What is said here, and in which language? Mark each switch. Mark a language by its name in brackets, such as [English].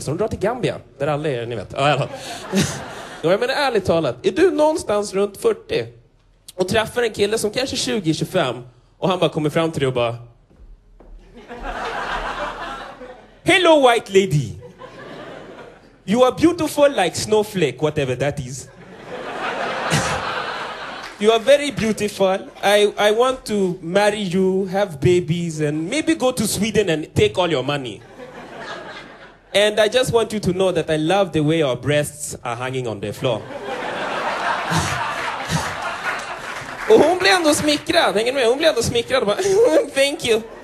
[Swedish] Så de drar till Gambia, där alla är, ni vet. Ja, jag menar, ärligt talat, är du någonstans runt 40 och träffar en kille som kanske 20-25 och han bara kommer fram till dig och bara, [English] hello white lady, you are beautiful like snowflake, [Swedish] whatever that is. [English] You are very beautiful. I want to marry you, have babies, and maybe go to Sweden and take all your money. And I just want you to know that I love the way your breasts are hanging on the floor. [Swedish] Och hon blev ändå smickrad. Hänger ni med? Hon blev ändå smickrad. [English] Thank you.